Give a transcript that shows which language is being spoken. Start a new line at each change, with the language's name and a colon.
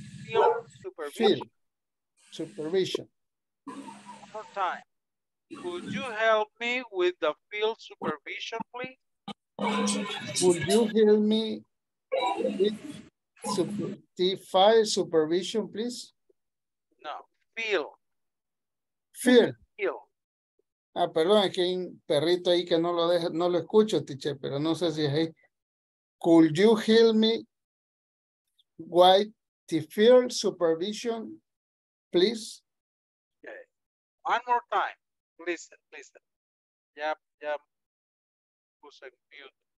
English: Field supervision. One more time. Could you help me with the field supervision, please? Would you help me with the file supervision, please? No, feel. Feel. Feel.
Spanish: Ah, perdón, es que hay un perrito ahí que no lo deja, no lo escucho, teacher, pero no sé si es ahí.
English: Could you help me with the field supervision, please? Okay. One more time. Listen, listen. Yep, yep.
Spanish: Puse mute.